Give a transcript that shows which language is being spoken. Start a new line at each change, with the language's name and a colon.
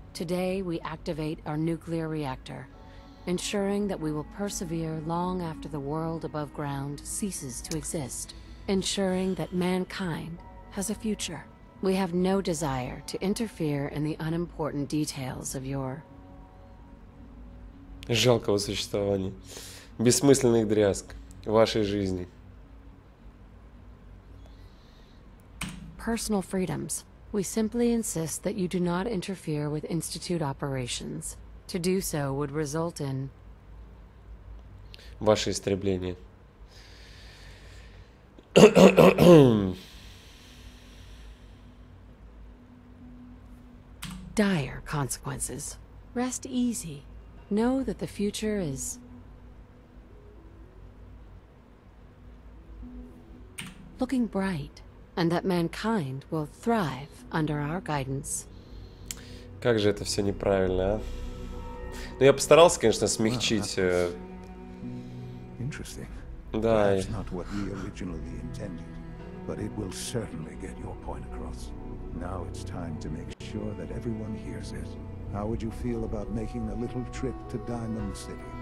English: Today, we activate our nuclear reactor, ensuring that we will persevere long after the world above ground ceases to exist, ensuring that mankind has a future. We have no desire to interfere in the unimportant details of your...
Russian: жалкого существования, бессмысленных дрязг вашей жизни.
English: Personal freedoms. We simply insist that you do not interfere with Institute operations. To do so would result in...
Russian: ваше истребление.
English: Dire consequences. Rest easy. Know that the future is... looking bright, and that mankind will thrive under our guidance.
Russian: Как же это все неправильно, а? Ну, я постарался, конечно, смягчить...
English: Interesting.
Russian: Да, и...
English: That's not what we originally intended, but it will certainly get your point across. Now it's time to make sure that everyone hears it. How would you feel about making a little trip to Diamond City?